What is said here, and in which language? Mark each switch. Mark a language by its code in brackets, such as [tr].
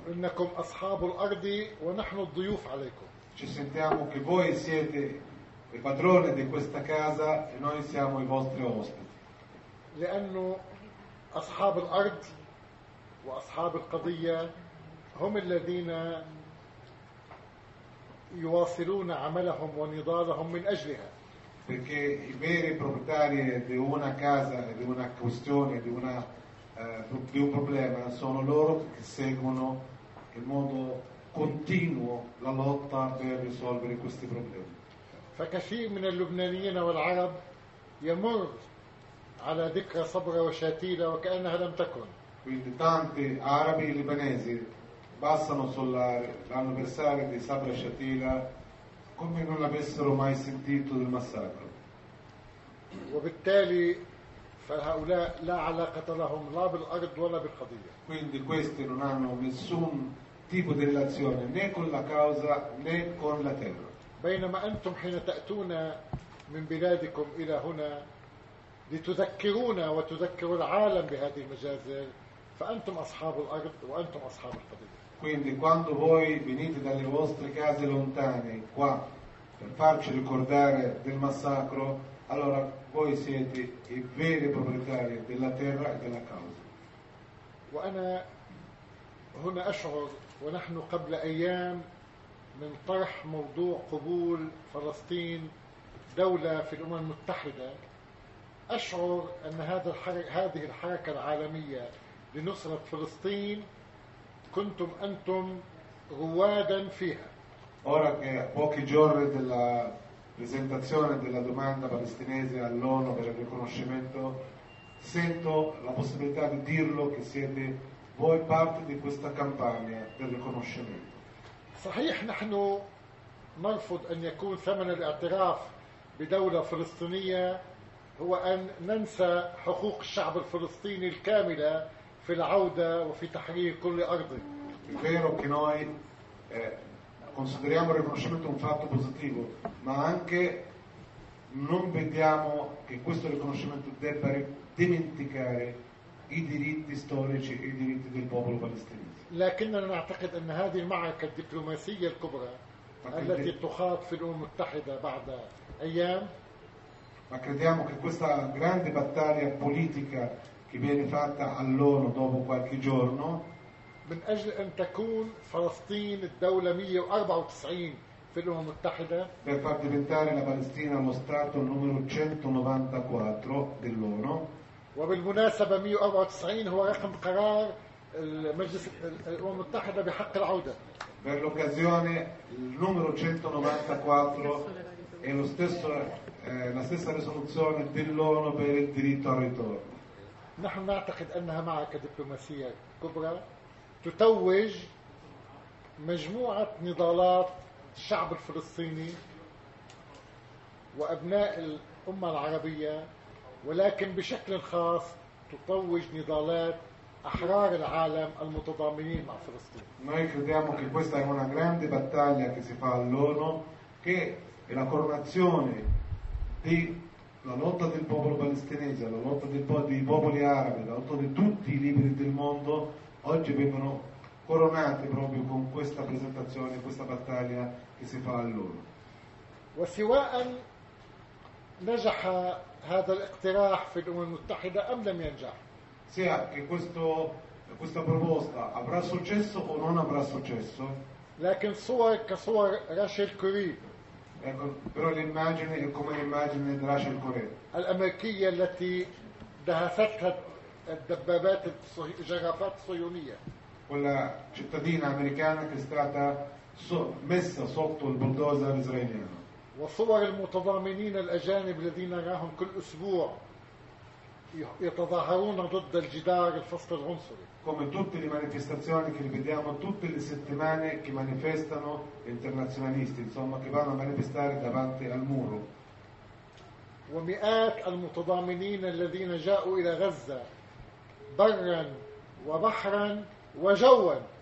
[ar] إنكم أصحاب الأرض ونحن الضيوف عليكم. [it] Ci sentiamo che voi siete i padroni di questa casa e noi siamo i vostri ospiti. [ar] لأنه أصحاب الأرض وأصحاب القضية هم الذين يواصلون عملهم ونضالهم من أجلها. [it] Perché i veri proprietari di una casa, di una questione, di, una, di un problema sono loro che seguono in modo continuo la lotta per risolvere questi problemi. [ar] فكثير من اللبنانيين والعرب يمر على ذكرى صبرا وشاتيلا وكأنها لم تكن. [it] Quindi tanti arabi e libanesi passano sull'anniversario di Sabra e Shatila come non l'avessero mai sentito del massacro. [ar] وبالتالي فهؤلاء لا علاقة لهم لا بالأرض ولا بالقضية. [it] Quindi questi non hanno nessun tipo di relazione né con la causa né con la terra. [ar] بينما أنتم حين تأتون من بلادكم إلى هنا لتذكرونا وتذكر العالم بهذه المجازر فأنتم أصحاب الأرض وأنتم أصحاب الحديقة. [it] Quindi quando voi venite dalle vostre case lontane qua per farci ricordare del massacro, allora voi siete i veri proprietari della terra e della causa. [ar] وأنا هنا أشعر ونحن قبل أيام من طرح موضوع قبول فلسطين دولة في الأمم المتحدة أشعر أن هذا هذه الحركة العالمية لنصرة فلسطين كنتم أنتم روادا فيها. [it] Ora che pochi giorni della presentazione della domanda palestinese all'ONU per il riconoscimento sento la possibilità di dirlo che siete voi parte di questa campagna del riconoscimento. [ar] صحيح نحن نرفض أن يكون ثمن الاعتراف بدولة فلسطينية هو أن ننسى حقوق الشعب الفلسطيني الكاملة في العودة وفي تحرير كل أرضه. [it] È vero che noi consideriamo il riconoscimento un fatto positivo, ma anche non vediamo che questo riconoscimento debba dimenticare i diritti storici e i diritti del popolo palestinese. [ar] لكننا نعتقد أن هذه المعركة الدبلوماسية الكبرى التي تخاض في الأمم المتحدة بعد أيام. [it] Ma crediamo che questa grande battaglia politica che viene fatta all'ONU dopo qualche giorno [ar] من أجل أن تكون فلسطين الدولة 194 في الأمم المتحدة [it] per far diventare la Palestina lo stato numero 194 dell'ONU. [ar] وبالمناسبة 194 هو رقم قرار المجلس الأمم المتحدة بحق العودة. [it] Per l'occasione il numero 194 è lo stesso la stessa risoluzione dell'ONU per il diritto al ritorno. [ar] نحن نعتقد أنها معركة دبلوماسية كبرى تتوج مجموعة نضالات الشعب الفلسطيني وأبناء الأمة العربية ولكن بشكل خاص تتوج نضالات أحرار العالم المتضامنين مع فلسطين. [it] Noi crediamo che questa è una grande battaglia che si fa all'ONU che è la coronazione di la lotta del popolo palestinese, la lotta dei popoli arabi, la lotta di tutti i liberi del mondo oggi vengono coronate proprio con questa presentazione, questa battaglia che si fa a loro. [ar] وسواء نجح هذا الاقتراح في الأمم المتحدة أم لم ينجح. [it] Sia che questa proposta avrà successo o non avrà successo. [ar] لكن صور كصور راشيل كريب. [it] Ecco, però l'immagine è come l'immagine di Rachel Corrie. [ar] الأمريكية التي دهستها الدبابات الجرافات الصهيونية. [it] Quella cittadina americana che è stata messa sotto il bulldozer israeliano. [ar] وصور المتضامنين الأجانب الذين نراهم كل أسبوع يتظاهرون ضد الجدار الفصل العنصري. [it] Come tutte le manifestazioni che vediamo tutte le settimane che manifestano internazionalisti, insomma, che vanno a manifestare davanti al muro. [ar] ومئات المتضامنين الذين جاءوا إلى غزة برا وبحرا وجوا.